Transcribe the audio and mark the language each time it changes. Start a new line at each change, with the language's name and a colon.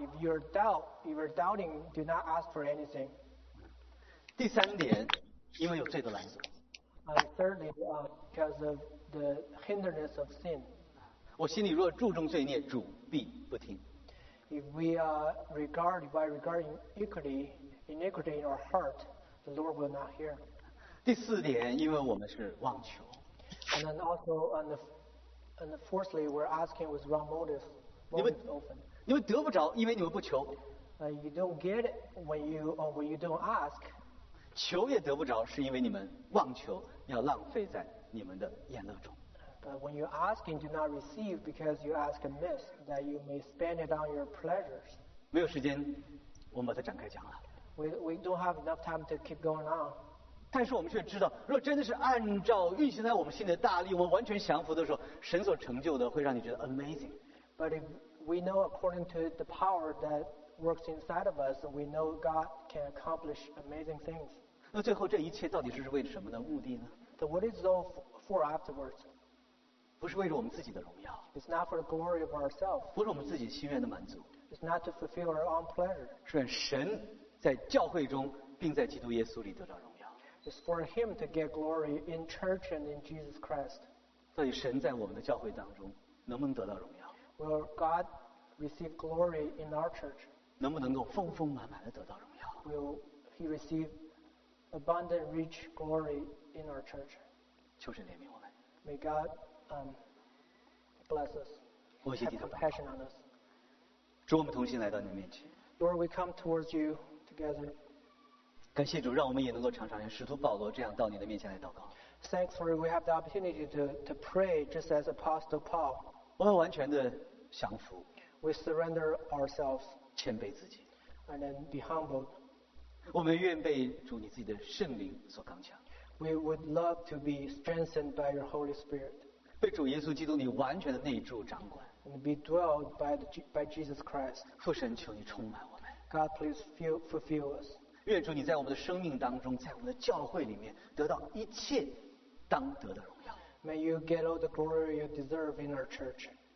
English: If you're doubting, do not ask for anything.
Chinese: 第三点，因为有罪的拦阻。
English: Thirdly, because of the hindrance of sin.
Chinese: 我心里若注重罪孽，主必不听。
English: If we regard by regarding iniquity in our heart, the Lord will not hear.
Chinese: 第四点，因为我们是妄求。
English: And then also and fourthly, we're asking with wrong motives.
Chinese: 你们得不着，因为你们不求。
English: You don't get it when you don't ask.
Chinese: 求也得不着，是因为你们妄求，要浪费在你们的眼乐中。
English: But When you ask and do not receive because you ask amiss, that you may spend it on your pleasures.
Chinese: 没有时间, 我们把它展开讲了。
English: We don't have enough time to keep going on.
Chinese: 但是我们却知道, 若真的是按照运行在我们心里的大力, 我们完全降服的时候, 神所成就的, 会让你觉得 amazing.
English: But if we know according to the power that works inside of us, we know God can accomplish amazing things.
Chinese: 那最后这一切到底是为什么的目的呢?
English: So what is it all for afterwards?
Chinese: 不是为了我们自己的荣耀,
English: it's not for the glory of ourselves.
Chinese: 不是我们自己心愿的满足,
English: it's not to fulfill our own pleasure.
Chinese: 是神在教会中并在基督耶稣里得到荣耀,
English: it's for him to get glory in church and in Jesus Christ.
Chinese: 到底神在我们的教会当中能不能得到荣耀?
English: Will God receive glory in our church?
Chinese: 能不能够丰丰满满地得到荣耀?
English: Will he receive abundant rich glory in our church?
Chinese: 求神怜悯我们,
English: may God bless us, have compassion on us.
Chinese: 主我们同心来到你面前,
English: Lord, we come towards you together.
Chinese: 感谢主, 让我们也能够常常使徒保罗这样到你的面前来祷告。
English: Thanks, Lord, we have the opportunity to pray just as Apostle Paul.
Chinese: 我们完全的降服,
English: we surrender ourselves,
Chinese: 谦卑自己,
English: and then be humbled.
Chinese: 我们愿被主你自己的圣灵所刚强。
English: We would love to be strengthened by your Holy Spirit.
Chinese: 被主耶稣基督你完全的内住掌管,
English: and be dwelled by Jesus Christ.
Chinese: 父神求你充满我们,
English: God please fulfill us.
Chinese: 愿主你在我们的生命当中, 在我们的教会里面得到一切当得的荣耀。
English: May you get all the glory you deserve in our church.